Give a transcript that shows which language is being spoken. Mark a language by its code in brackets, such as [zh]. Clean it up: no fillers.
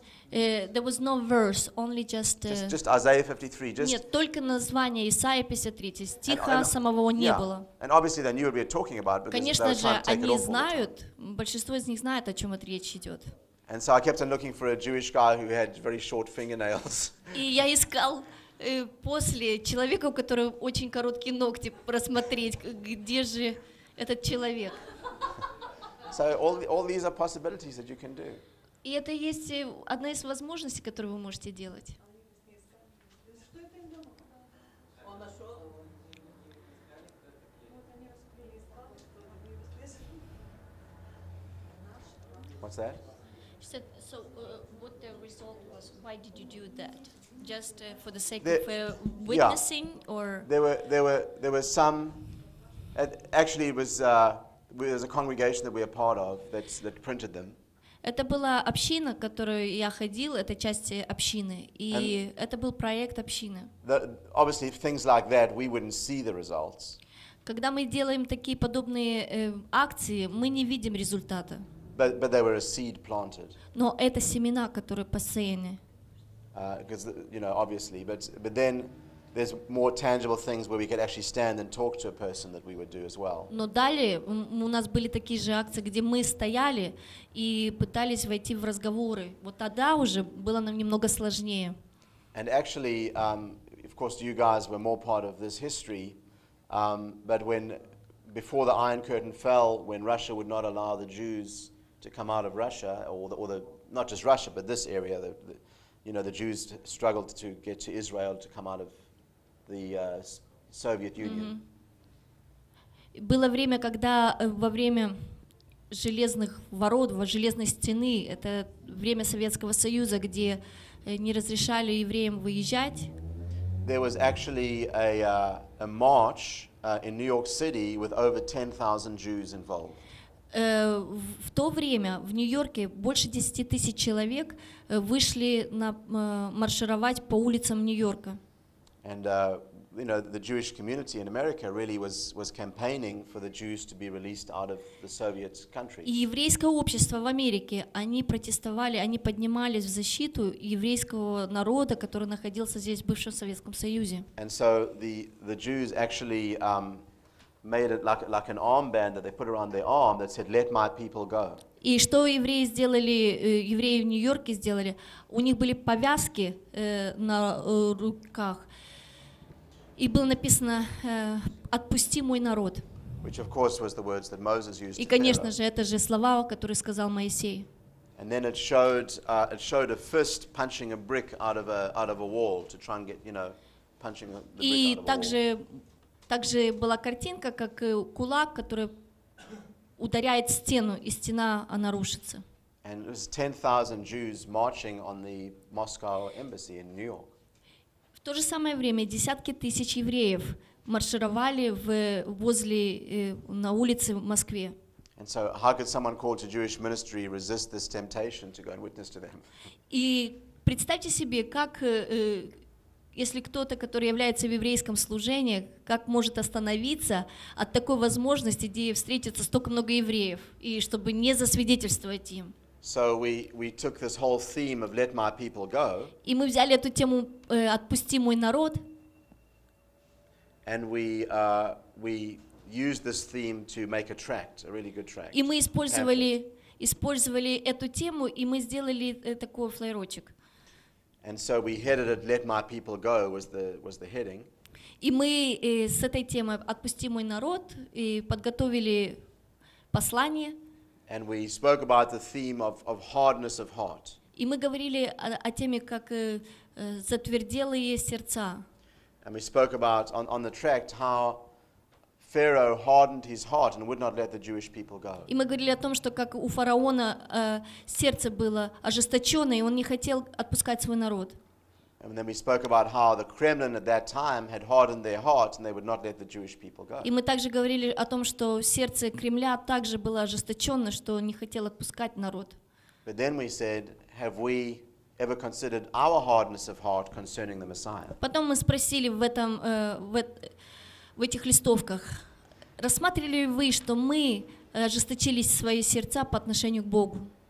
[en] There was no verse, only just Isaiah 53. Just... [ru] Нет, только название Исаия 53. Стиха самого не было. [en] And obviously they knew what we were talking about. [ru] Конечно же, они знают, большинство из них знает, о чем это речь идет. [en] And so I kept on looking for a Jewish guy who had very short fingernails. [ru] И я искал после человека, у которого очень короткие ногти, просмотреть, где же этот человек. [en] So all these are possibilities that you can do. [ru] И это есть одна из возможностей, которую вы можете делать. [en] What's that? So, what the result was? Why did you do that? Just for the sake of witnessing, or there were some. Actually, it was there was a congregation that we are part of that printed them. [ru] Это была община, которую я ходил. Это часть общины, и это был проект общины. [en] Obviously, things like that, we wouldn't see the results. [ru] Когда мы делаем такие подобные акции, мы не видим результата. [en] But there were a seed planted. [ru] Но это семена, которые посеяны. [en] Because you know, obviously, but then there's more tangible things where we could actually stand and talk to a person that we would do as well. [ru] Но далее у нас были такие же акции, где мы стояли и пытались войти в разговоры. Вот тогда уже было нам немного сложнее. [en] And actually, of course, you guys were more part of this history, but when before the Iron Curtain fell, when Russia would not allow the Jews to come out of Russia, or the not just Russia, but this area, the Jews struggled to get to Israel to come out of the Soviet Union. [ru] Было время, когда во время железных ворот, во железной стены, это время Советского Союза, где не разрешали евреям выезжать. [en] There was actually a march in New York City with over 10,000 Jews involved. [ru] В то время в Нью-Йорке больше 10 тысяч человек вышли на маршировать по улицам Нью-Йорка. [en] And the Jewish community in America really was campaigning for the Jews to be released out of the Soviet country. [ru] И еврейское общество в Америке, они протестовали, они поднимались в защиту еврейского народа, который находился здесь в бывшем Советском Союзе. [en] And so the Jews actually made it like an armband that they put around their arm that said, "Let my people go." [ru] И что евреи сделали? Евреи в Нью-Йорке сделали. У них были повязки на руках, и было написано, "Отпусти мой народ." [en] Which, of course, was the words that Moses used. [ru] И, конечно же, это же слова, которые сказал Моисей. [en] And then it showed a fist punching a brick out of a wall to try and get, you know, punching the brick out of a wall. [ru] И также была картинка, как кулак, который ударяет стену, и стена, она рушится. [en] And it was 10,000 Jews marching on the Moscow embassy in New York. [ru] В то же самое время десятки тысяч евреев маршировали в возле на улице в Москве. [en] And so how could someone called to Jewish ministry resist this temptation to go and witness to them? [ru] И представьте себе, как если кто-то, который является в еврейском служении, как может остановиться от такой возможности, где встретится столько много евреев, и чтобы не засвидетельствовать им. [en] So we took this whole theme of let my people go. [ru] И мы взяли эту тему «Отпусти мой народ». [en] And we used this theme to make a tract, a really good tract. [ru] И мы использовали эту тему, и мы сделали такой флаеротик. [en] And so we headed it, let my people go, was the heading. [ru] И мы с этой темой «Отпусти мой народ» и подготовили послание. [en] And we spoke about the theme of hardness of heart. [ru] И мы говорили о теме, как затверделые сердца. [en] And we spoke about on the tract how Pharaoh hardened his heart and would not let the Jewish people go. [ru] И мы говорили о том, что как у фараона сердце было ожесточенное, и он не хотел отпускать свой народ. [en] And then we spoke about how the Kremlin at that time had hardened their hearts and they would not let the Jewish people go. [ru] И мы также говорили о том, что сердце Кремля также было ожесточено, что он не хотел отпускать народ. [en] But then we said, have we ever considered our hardness of heart concerning the Messiah? [ru] Потом мы спросили в этом в этих листовках, рассматривали ли вы, что мы ожесточились свои сердца по отношению к Богу?